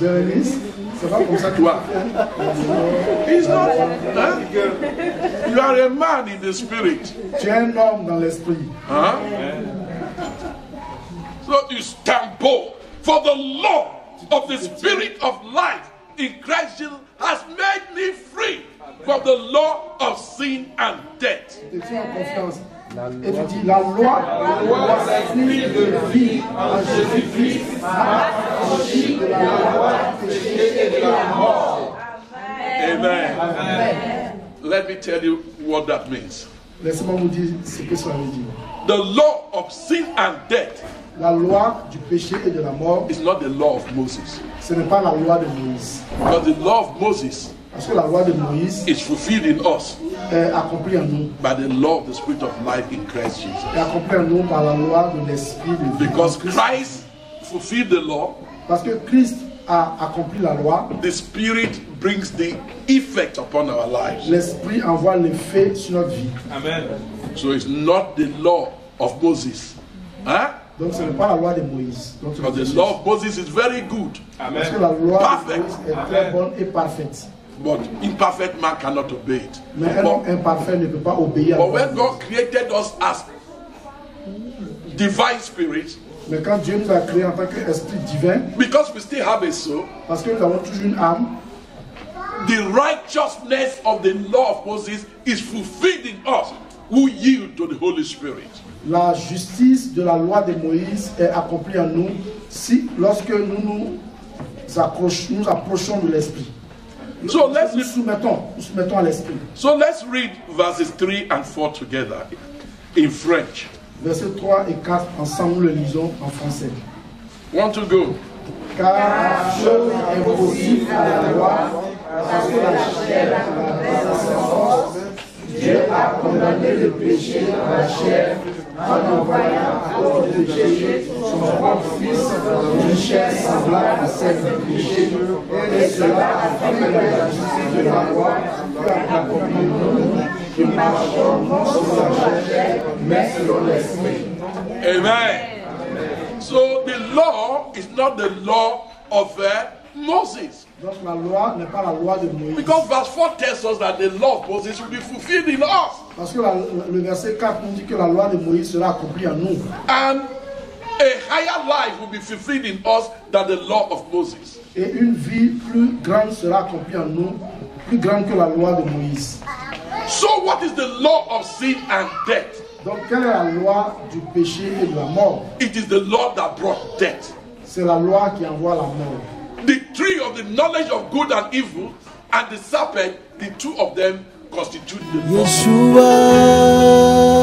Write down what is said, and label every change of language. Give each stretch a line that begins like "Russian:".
English: You are a man in the spirit.
French: Tu es un homme dans l'esprit. Huh?
English: So you stand bold. For the law of the spirit of life in Christ Jesus has made me free from the law of sin and death.
French: Et tu dis, la loi de la vie en Jésus-Christ m'a affranchi de la loi du péché et de la mort. Amen. Amen.
English: Let me tell you what that means.
French: Laisse-moi vous dire ce que ça veut dire.
English: The law of sin and death.
French: La loi du péché et de la mort.
English: Is not the law of Moses.
French: Ce n'est pas la loi de Moïse.
English: But the law of Moses.
French: Parce que la loi de Moïse
English: is fulfilled in us
French: est accomplie en nous
English: by the law of the spirit of life in Christ Jesus.
French: Est accomplie en nous par la loi de l'esprit de vie.
English: Because Christ fulfilled the law.
French: Parce que Christ a accompli la loi.
English: The Spirit brings the effect upon our lives.
French: L'Esprit envoie l'effet sur notre vie. Amen.
English: So it's not the law of Moses. Hein?
French: Donc ce n'est pas la loi de Moïse. Donc,
English: because the law of Moses is very good. Amen.
French: Parce que la loi perfect. De Moïse est très bonne et parfaite.
English: But imperfect man cannot obey it.
French: Mais un homme imparfait ne peut pas obéir.
English: But when God created us as divine spirits,
French: mais quand Dieu nous a créé en tant qu'esprit divin,
English: because we still have a soul,
French: parce que nous avons toujours une âme,
English: the righteousness of the law of Moses is fulfilled in us who yield to the Holy Spirit.
French: La justice de la loi de Moïse est accomplie en nous si lorsque nous nous approchons de l'esprit.
English: So let's
French: nous soumettons à l'esprit.
English: So let's read verses 3 and 4 together in French.
French: Verset 3 et 4 ensemble le lisons en français.
English: Want to go?
French: Car la chair est impossible à la loi, parce que la chair est sans force. Dieu a condamné le péché dans la chair en envoyant à cause du péché son propre fils dans une chair semblable à celle du péché. Et cela afin que la justice de la loi soit accomplie en nous. Amen. Amen.
English: So the law is not the law of Moses.
French: Donc la loi n'est pas la loi de Moïse.
English: Because verse 4 tells us that the law of Moses will be fulfilled in us.
French: Parce que le verset 4 nous dit que la loi de Moïse sera accomplie en nous.
English: And a higher life will be fulfilled in us than the law of Moses.
French: Et une vie plus grande sera accomplie en nous, plus grande que la loi de Moïse.
English: So what is the law of sin and death?
French: Donc quelle est la loi du péché et de la mort?
English: It is the law that brought death.
French: C'est la loi qui envoie la mort.
English: The tree of the knowledge of good and evil and the serpent, the two of them constitute the law.